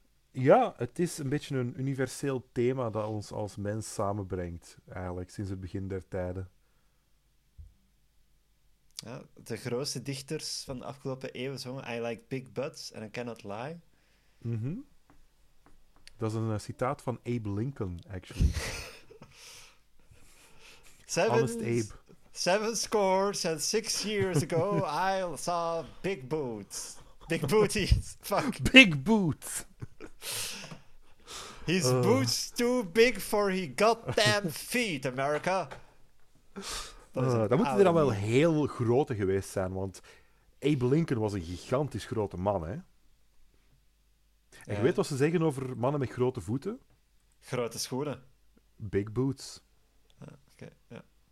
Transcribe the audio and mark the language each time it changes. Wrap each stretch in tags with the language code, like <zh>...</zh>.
<nl>Ja, het is een beetje een universeel thema dat ons als mens samenbrengt, eigenlijk, sinds het begin der tijden. Ja, de grootste dichters van de afgelopen eeuwen zongen</nl> <en>I like big butts and I cannot lie.</en> <nl>Mm-hmm.</nl> <en>Dat is een citaat van Abe Lincoln, actually. Honest Abe. 7 scores and 6 years ago, I saw big boots. Big booties. Fuck. Big boots. His boots too big for his goddamn feet, America.</en> <nl>Dan moeten er dan wel heel grote geweest zijn, want Abe Lincoln was een gigantisch grote man, hè. En je weet wat ze zeggen over mannen met grote voeten? Grote schoenen.</nl> <en>Big boots.</en> <nl>Oké, ja.</nl>